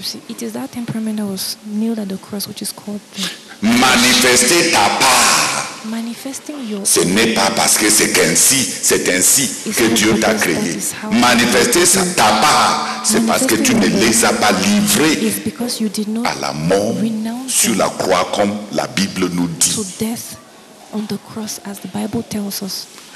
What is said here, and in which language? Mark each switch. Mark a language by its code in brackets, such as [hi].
[en] It is that temperament that was nailed at the cross, which is called the... [fr] Manifester ta part. [en] Manifesting your... [fr] Ce n'est pas parce que c'est ainsi que Dieu t'a créé. Manifester sa ta part, c'est parce que tu ne les as pas livrés à la mort sur la croix, comme la Bible nous dit. [en] To death on the cross, as the Bible tells us.